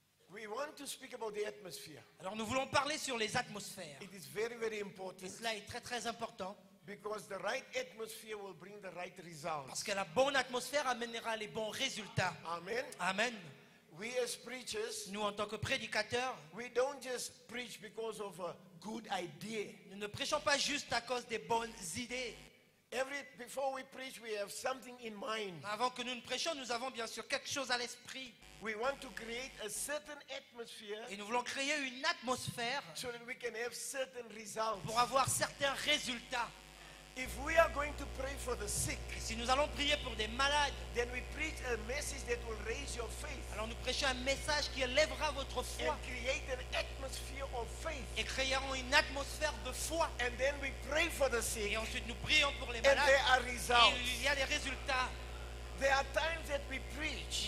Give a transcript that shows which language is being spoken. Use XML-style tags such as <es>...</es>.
<en>We want to speak about the atmosphere.</en> <fr>Alors nous voulons parler sur les atmosphères.</fr> <en>It is very, very important.</en> <fr>Et cela est très, très important.</fr> <en>Because the right atmosphere will bring the right results.</en> <fr>Parce que la bonne atmosphère amènera les bons résultats. Amen. Amen.</fr> <en>We as preachers,</en> <fr>nous en tant que prédicateurs,</fr> <en>we don't just preach because of a good idea.</en> <fr>Nous ne prêchons pas juste à cause des bonnes idées.</fr> <en>Before we preach, we have something in mind.</en> <fr>Avant que nous ne prêchions, nous avons bien sûr quelque chose à l'esprit.</fr> <en>We want to create a certain atmosphere.</en> <fr>Et nous voulons créer une atmosphère.</fr> <en>So that we can have certain results.</en> <fr>Pour avoir certains résultats.</fr> <en>If we are going to pray for the sick,</en> <fr>si nous allons prier pour des malades,</fr> <en>then we preach a message that will raise your faith.</en> <fr>Alors nous prêchons un message qui élèvera votre foi.</fr> <en>And create an atmosphere of faith.</en> <fr>Et créerons une atmosphère de foi.</fr> <en>And then we pray for the sick.</en> <fr>Et ensuite nous prions pour les malades.</fr> <en>And there are results.</en> <fr>Et il y a des résultats.</fr> <en>There are times that we preach.</en>